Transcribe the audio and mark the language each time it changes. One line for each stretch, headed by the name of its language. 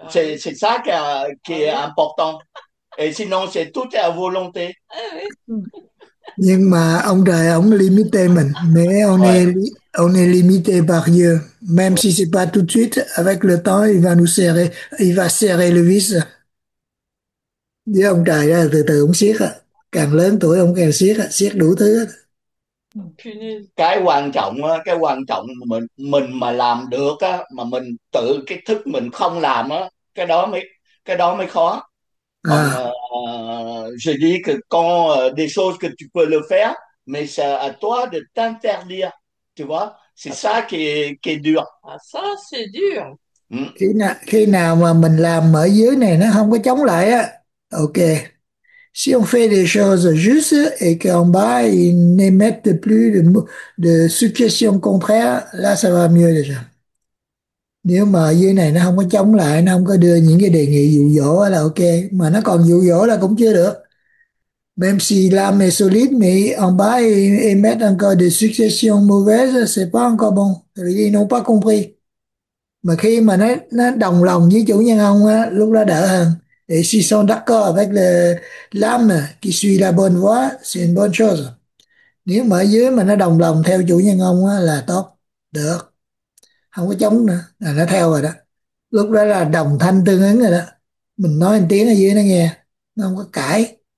French: C'est ça qui est important. Et sinon, c'est tout à volonté.
Vietnamese: Nhưng mà ông trời ông limité mình,
French: mais on est limité par Dieu, même si c'est pas tout de suite, avec le temps il va nous serrer, il va serrer le vis.
Vietnamese: Với ông trời là từ từ ông siết à. Càng lớn tuổi ông càng siết à. Siết đủ thứ à. Cái quan trọng mình mà làm được á, mà mình tự cái thức mình không làm á, cái đó mới khó. Còn À.
French: je dis que quand des choses que tu peux le faire, mais c'est à toi de t'interdire, tu vois, c'est ça qui est dur. À, ça c'est dur.
Vietnamese: Khi nào mà mình làm ở dưới này nó không có chống lại á, ok.
French: Si on fait des choses justes et qu'en bas, ils n'émettent plus de suggestions contraires, là ça va mieux déjà.
Vietnamese: Nếu mà dưới này nó không có chống lại, nó không có đưa những cái đề nghị dụ dỗ là ok. Mà nó còn dụ dỗ là cũng chưa được.
French: Même si l'âme est solide, mais en bas, ils émettent encore des suggestions mauvaises, c'est pas encore bon. Ils n'ont pas compris.
Vietnamese: Mà khi mà nó đồng lòng với chủ nhân ông á, lúc đó đỡ hơn.
French: Et s'ils sont d'accord avec l'âme qui suit la bonne voie, c'est une bonne chose.
Vietnamese: Nếu mà ở dưới mà nó đồng lòng theo chủ nhân ông á, là tốt, được. Không có chống nữa, là nó theo rồi đó. Lúc đó là đồng thanh tương ứng rồi đó. Mình nói một tiếng ở dưới nó nghe, nó không có cãi.